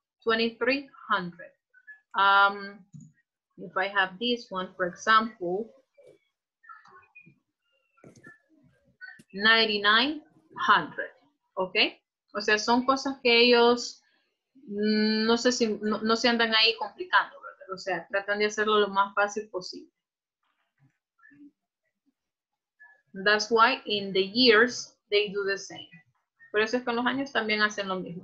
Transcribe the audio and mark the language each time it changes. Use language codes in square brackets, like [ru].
[en] 2300. If I have this one, for example, 9900. Ok. [es] O sea, son cosas que ellos no sé si no se andan ahí complicando, ¿verdad? O sea, tratan de hacerlo lo más fácil posible. [en] That's why in the years they do the same. [es] Por eso es que en los años también hacen lo mismo.